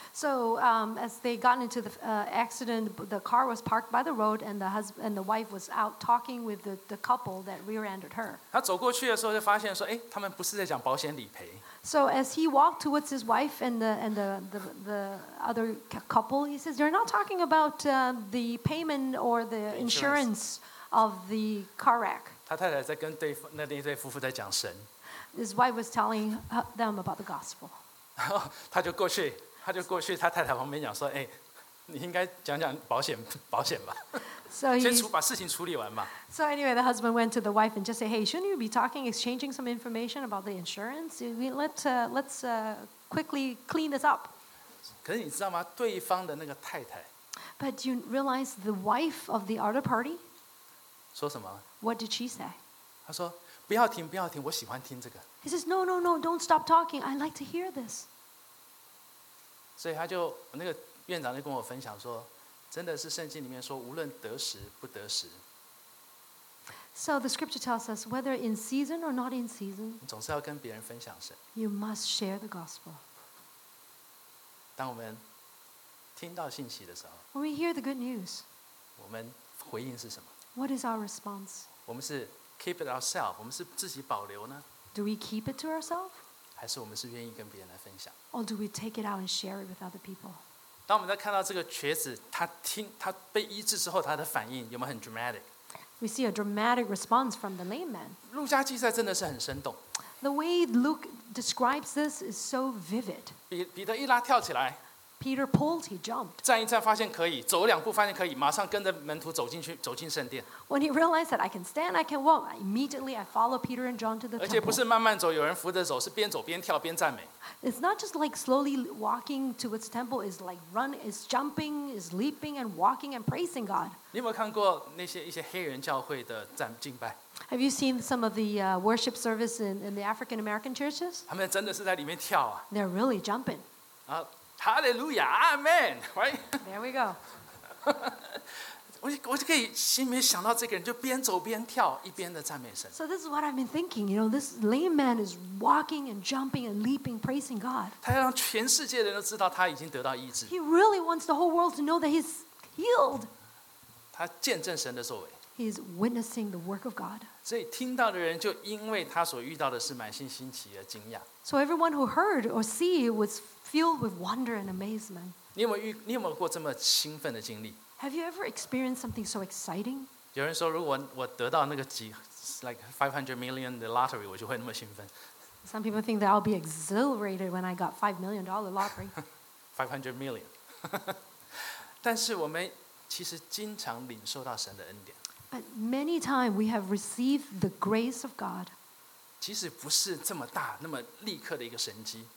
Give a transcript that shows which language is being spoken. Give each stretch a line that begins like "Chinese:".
English: So as they got into the accident, the car was parked by the road, and the husband and the wife was out talking with the couple that rear-ended her.
Chinese: 他走过去的时候就发现说，哎，他们不是在讲保险理赔。
English: So as he walked towards his wife and the other couple, he says, "You're not talking about the payment or the insurance of the car wreck."
Chinese: 他太太在跟对那那对夫妇在讲神。
English: His wife was telling them about the gospel.
Chinese: 他就过去他太太旁边讲说，哎，你应该讲讲保险吧。
English: So he
Chinese: 先把事情处理完嘛。
English: So anyway, the husband went to the wife and just said, "Hey, shouldn't you be talking, exchanging some information about the insurance? Let's quickly clean this up."
Chinese: 可是你知道吗？对方的那个太太。
English: But you realize the wife of the other party.
Chinese: 说什么
English: ？What did she say?
Chinese: 她说：“不要停，不要停，我喜欢听这个。
English: ”He says, "No, no, no, don't stop talking. I like to hear this."
Chinese: 所以他就那个院长就跟我分享说。真的是圣经里面说，无论得时不得时。
English: So the scripture tells us whether in season or not in season.
Chinese: 总是要跟别人分享神。
English: You must share the gospel.
Chinese: 当我们听到信息的时候。
English: When we hear the good news.
Chinese: 我们回应是什么
English: ？What is our response?
Chinese: 我们是
English: keep it ourselves，
Chinese: 我们是自己保留呢
English: ？Do we keep it to ourselves？
Chinese: 还是我们是愿意跟别人来分享
English: ？Or do we take it out and share it with other people？
Chinese: 当我们在看到这个瘸子，他被医治之后，他的反应有没有很 dramatic？
English: We see a dramatic response from the lame man.
Chinese: 路加记载真的是很生动。
English: The way Luke describes this is so vivid.
Chinese: 彼得一拉跳起来。
English: Peter pulled, he jumped.
Chinese: 站一站发现可以，走两步发现可以，马上跟着门徒走进圣殿。
English: When he realized that I can stand, I can walk, immediately I follow Peter and John to the temple.
Chinese: 而且不是慢慢走，有人扶着走，是边走边跳边赞美。
English: It's not just like slowly walking to its temple. It's like run, it's jumping, it's leaping and walking and praising God.
Chinese: 你有没有看过那些一些黑人教会的敬拜？
English: Have you seen some of the worship service in the African American churches?
Chinese: 他们真的是在里面跳啊！
English: They're really jumping. Hallelujah, Amen. Right? There we go.
Chinese: 我就可以心里面想到这个人就边走边跳一边的赞美神。
English: So this is what I've been thinking. You know, this lame man is walking and jumping and leaping, praising God.
Chinese: 他要让全世界的人都知道他已经得到医治。
English: He really wants the whole world to know that he's healed.
Chinese: 他见证神的作为。
English: He's witnessing the work of God.
Chinese: 所以听到的人就因为他所遇到的是满心新奇而惊讶。
English: So everyone who heard or see was filled with wonder and amazement.
Chinese: 你有没有过这么兴奋的经历？
English: Have you ever experienced something so exciting?
Chinese: 有人说，如果我得到那个几 ，
English: like 500 million the lottery，
Chinese: 我就会那么兴奋。
English: Some people think that I'll be exhilarated when I got $5 million lottery. 500 million.
Chinese: 但是我们其实经常领受到神的恩典。
English: But many times we have received the grace of God.
Chinese: 即使不是这么大，那么立刻的一个神迹。